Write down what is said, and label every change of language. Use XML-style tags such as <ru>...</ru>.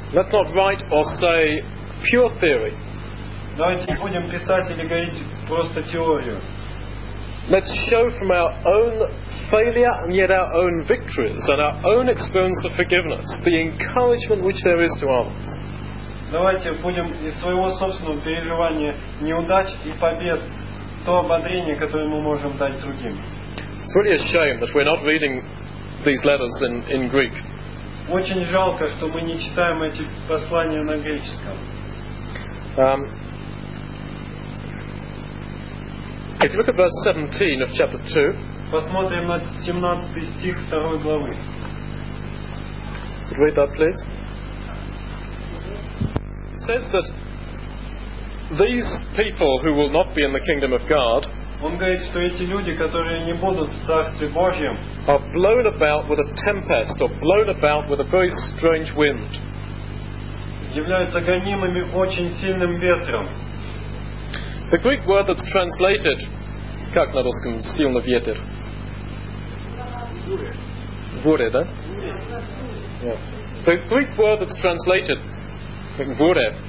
<en>Let's not write or say pure theory.</en> <ru>Давайте не будем писать или говорить просто теорию.</ru> <en>Let's show from our own failure and yet our own victories and our own experience of forgiveness the encouragement which there is to others.</en> <ru>Давайте будем из своего собственного переживания неудач и побед то ободрение, которое мы можем дать другим.</ru> <en>It's really a shame that we're not reading these letters in Greek.</en> <ru>Очень жалко, что мы не читаем эти послания на греческом.</ru> <en>If you look at verse 17 of chapter 2,</en> <ru>посмотрим на 17 стих 2 главы.</ru> <en>Read that, please. It says that these people who will not be in the kingdom of God,</en> <ru>он говорит, что эти люди, которые не будут в Царстве Божьем,</ru> <en>are blown about with a tempest or blown about with a very strange wind.</en> <ru>Являются гонимыми очень сильным ветром.</ru> <en>The Greek word that's translated,</en> <ru>как на русском, сильный ветер? Буре, да?</ru> <en>Yeah. The Greek word that's translated</en> <ru>как буре.</ru>